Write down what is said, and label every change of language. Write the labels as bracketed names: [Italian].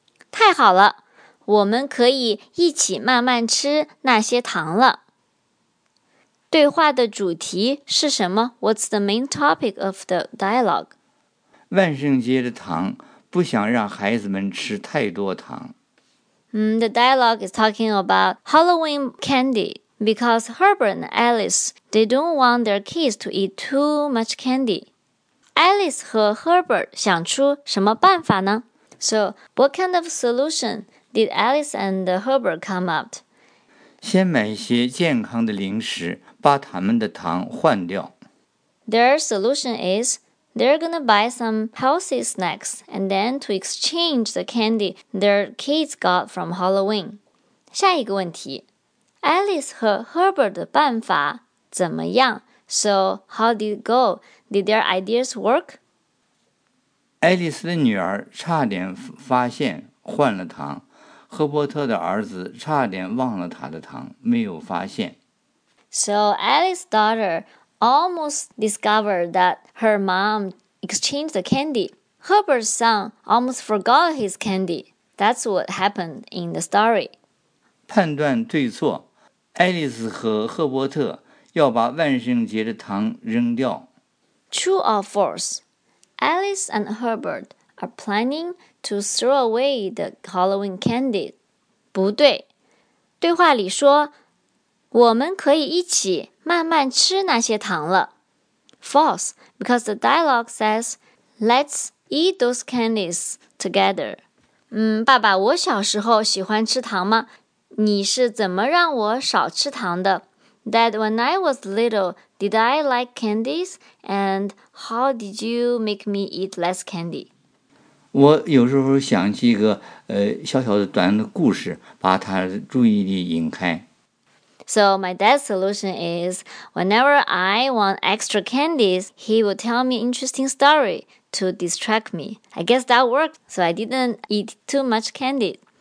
[Chinese] 太好了，我们可以一起慢慢吃那些糖了。对话的主题是什么？ [English] What's the main topic of the dialogue? [Chinese] 万圣节的糖，不想让孩子们吃太多糖。 [English] The dialogue is talking about Halloween candy, because Herbert and Alice, they don't want their kids to eat too much candy. [Chinese] Alice 和 Herbert 想出什么办法呢? [English] So, what kind of solution did Alice and Herbert come up? [Chinese] 先买一些健康的零食,把他们的糖换掉。 [English] Their solution is, they're gonna buy some healthy snacks and then to exchange the candy their kids got from Halloween. [Chinese] 下一个问题, Alice 和 Herbert 的办法怎么样? [English] So, how did it go? Did their ideas work? [Chinese] 爱丽丝的女儿差点发现换了糖，赫伯特的儿子差点忘了他的糖，没有发现。 [English] So Alice's daughter almost discovered that her mom exchanged the candy. Herbert's son almost forgot his candy. That's what happened in the story. [Chinese] 判断对错，爱丽丝和赫伯特要把万圣节的糖扔掉。 [English] True or false? Alice and Herbert are planning to throw away the Halloween candy. [Chinese] 不对。对话里说，我们可以一起慢慢吃那些糖了。 [English] False, because the dialogue says, let's eat those candies together. [Chinese] 爸爸，我小时候喜欢吃糖吗？你是怎么让我少吃糖的？ [English] Dad, when I was little, did I like candies? And how did you make me eat less candy? [Chinese] 我有时候想起一个小小的短的故事，把他的注意力引开。 [English] So my dad's solution is, whenever I want extra candies, he will tell me interesting story to distract me. I guess that worked, so I didn't eat too much candy.